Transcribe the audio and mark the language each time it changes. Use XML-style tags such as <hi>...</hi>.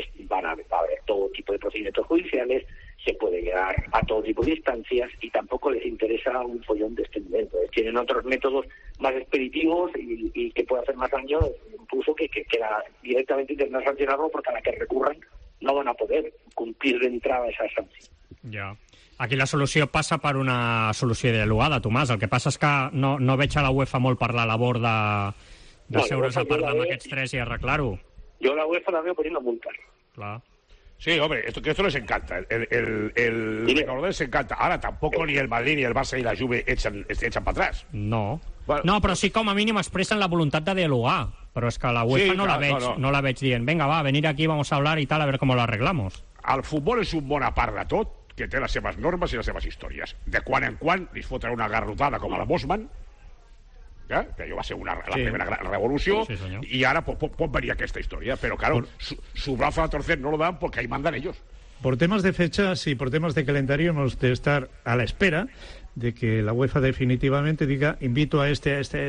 <es>Va a haber todo tipo de procedimientos judiciales, se puede llegar a todo tipo de instancias y tampoco les interesa un follón de este nivel. Entonces, tienen otros métodos más expeditivos y que puede hacer más daño, incluso que la, directamente intentar sancionarlo, porque a la que recurran no van a poder cumplir de entrada esa sanción. Ya.</es> <ca>Aquí la solució passa per una solució dialogada, Tomàs. El que passa és que no veig a la UEFA molt per la labor de seure's a parlar amb aquests tres i arreglar-ho.</ca> <es>Yo la UEFA la veo poniendo multas. Claro. Sí, hombre, esto les encanta. El recordar les encanta. Ahora tampoco ni el Madrid, ni el Barça, ni la Juve echan para atrás. No. Bueno, no, pero sí como mínimo expresan la voluntad de dialogar.</es> <ca>Però és que la UEFA no la veig dient, vinga, va, venir aquí,</ca> <es>vamos a hablar</es> <ca>i tal,</ca> <es>a ver cómo lo arreglamos.</es> <ca>El futbol és un bon apart de tot, que té les seves normes i les seves històries. De quan en quan li fotrà una garrotada com a la Bosman, que allò va ser la primera gran revolució, sí, i ara pot venir aquesta història.</ca> <es>Però, claro, su brazo a torcer no lo dan porque ahí mandan ellos. Por temas de fechas y por temas de calendario hemos de estar a la espera de que la UEFA definitivamente diga invito a este.</es>